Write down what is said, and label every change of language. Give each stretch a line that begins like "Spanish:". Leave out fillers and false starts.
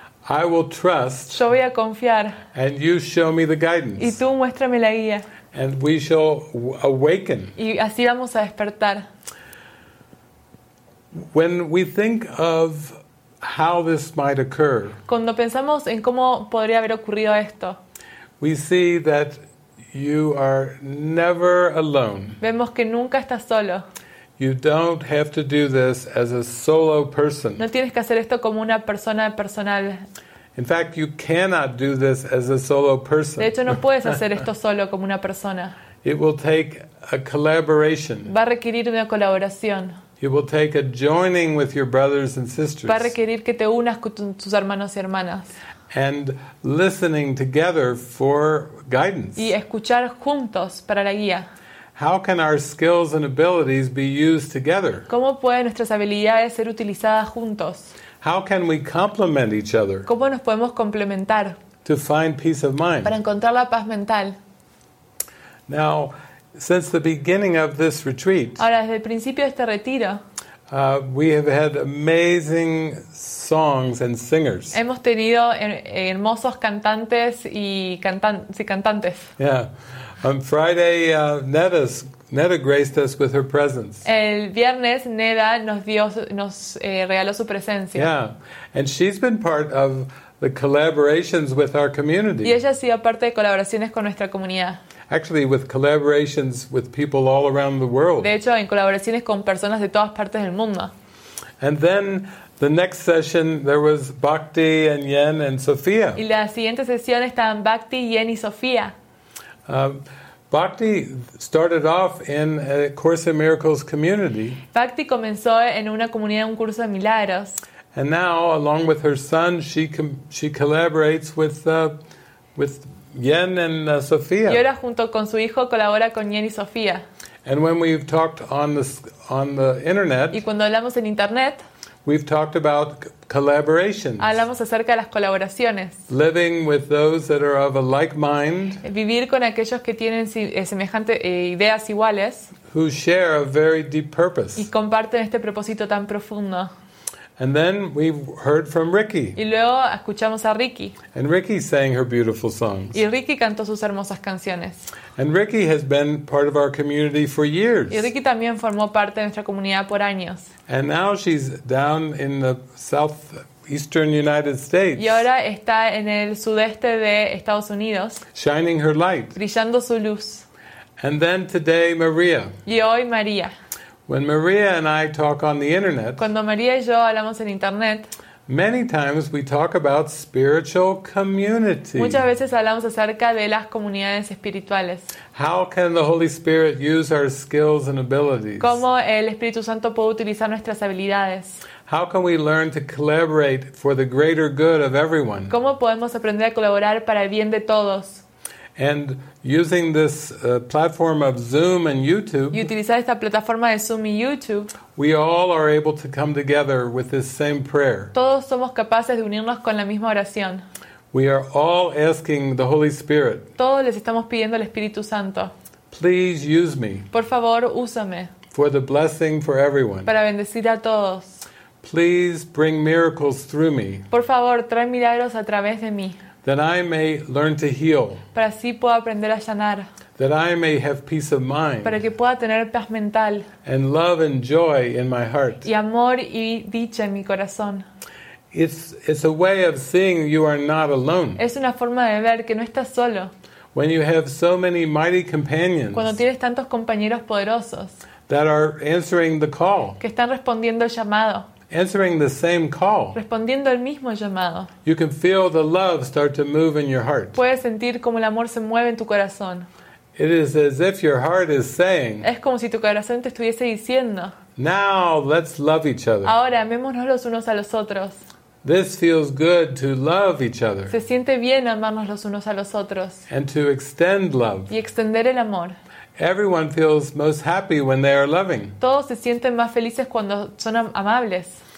English: I will trust.
Spanish: Yo voy a confiar.
English: And you show me the guidance.
Spanish: Y tú muéstrame la guía.
English: And we shall awaken.
Spanish: Y así vamos a despertar.
English: When we think of how this might occur.
Spanish: Cuando pensamos en cómo podría haber ocurrido esto.
English: We see that you are never alone.
Spanish: Vemos que nunca estás solo.
English: You don't have to do this as a solo person.
Spanish: No tienes que hacer esto como una persona personal.
English: In fact, you cannot do this as a solo person.
Spanish: De hecho, no puedes hacer esto solo como una persona.
English: It will take a collaboration.
Spanish: Va a requerir una colaboración.
English: It will take a joining with your brothers and sisters.
Spanish: Va a requerir que te unas con tus hermanos y hermanas.
English: And listening together for guidance.
Spanish: Y escuchar juntos para la guía.
English: How can our skills and abilities be used together?
Spanish: ¿Cómo pueden nuestras habilidades ser utilizadas juntos?
English: How can we complement each other?
Spanish: ¿Cómo nos podemos complementar?
English: To find peace of mind.
Spanish: Para encontrar la paz mental.
English: Now, since the beginning of this retreat,
Spanish: ahora, desde el principio de este retiro,
English: we have had amazing songs and singers.
Spanish: Hemos tenido hermosos cantantes y cantantes.
English: Yeah. On Friday, Neda graced us with her presence.
Spanish: El viernes, Neda nos regaló su presencia.
English: Yeah, and she's been part of the collaborations with our community.
Spanish: Y ella ha sido parte de colaboraciones con nuestra comunidad.
English: Actually, with collaborations with people all around the world.
Spanish: De hecho, en colaboraciones con personas de todas partes del mundo.
English: And then the next session, there was Bhakti and Yen and Sofía.
Spanish: Y la siguiente sesión estaban Bhakti, Yen y Sofía.
English: Bhakti started off in a Course in Miracles community.
Spanish: Bhakti comenzó en una comunidad, un curso de milagros.
English: And now, along with her son, she collaborates with Yen and Sofía.
Spanish: Y ahora junto con su hijo colabora con Yen y Sofía.
English: And when we've talked on the internet,
Spanish: y cuando hablamos en internet,
English: we've talked about collaborations.
Spanish: Hablamos acerca de las colaboraciones.
English: Living with those that are of a like mind.
Spanish: Vivir con aquellos que tienen semejantes ideas iguales.
English: Who share a very deep purpose.
Spanish: Y comparten este propósito tan profundo.
English: And then we heard from Ricky.
Spanish: Y luego escuchamos a Ricky.
English: And Ricky sang her beautiful songs.
Spanish: Y Ricky cantó sus hermosas canciones.
English: And Ricky has been part of our community for years.
Spanish: Y Ricky también formó parte de nuestra comunidad por años.
English: And now she's down in the southeastern United States.
Spanish: Y ahora está en el sudeste de Estados Unidos.
English: Shining her light.
Spanish: Brillando su luz.
English: And then today Maria.
Spanish: Y hoy María.
English: When Maria and I talk on the internet,
Spanish: cuando María y yo hablamos en internet,
English: many times we talk about spiritual community.
Spanish: Muchas veces hablamos acerca de las comunidades espirituales.
English: How can the Holy Spirit use our skills and abilities?
Spanish: ¿Cómo el Espíritu Santo puede utilizar nuestras habilidades?
English: How can we learn to collaborate for the greater good of everyone?
Spanish: ¿Cómo podemos aprender a colaborar para el bien de todos?
English: And using this platform of Zoom and YouTube,
Spanish: y utilizar esta plataforma de Zoom y YouTube,
English: we all are able to come together with this same prayer.
Spanish: Todos somos capaces de unirnos con la misma oración.
English: We are all asking the Holy Spirit.
Spanish: Todos les estamos pidiendo al Espíritu Santo.
English: Please use me.
Spanish: Por favor, úsame.
English: For the blessing for everyone.
Spanish: Para bendecir a todos.
English: Please bring miracles through me.
Spanish: Por favor, trae milagros a través de mí.
English: That I may learn to heal.
Spanish: Para así pueda aprender a sanar.
English: That I may have peace of mind.
Spanish: Para que pueda tener paz mental.
English: And love and joy in my heart.
Spanish: Y amor y dicha en mi corazón.
English: It's a way of seeing you are not alone.
Spanish: Es una forma de ver que no estás solo.
English: When you have so many mighty companions.
Spanish: Cuando tienes tantos compañeros poderosos.
English: That are answering the call.
Spanish: Que están respondiendo el llamado.
English: Answering the same call.
Spanish: Respondiendo el mismo llamado.
English: You can feel the love start to move in your heart.
Spanish: Puedes sentir como el amor se mueve en tu corazón.
English: It is as if your heart is saying.
Spanish: Es como si tu corazón te estuviese diciendo.
English: Now let's love each other.
Spanish: Ahora amémonos los unos a los otros.
English: This feels good to love each other.
Spanish: Se siente bien amarnos los unos a los otros.
English: And to extend love.
Spanish: Y extender el amor.
English: Everyone feels most happy when they are loving.
Spanish: Todos se sienten más felices cuando son amables.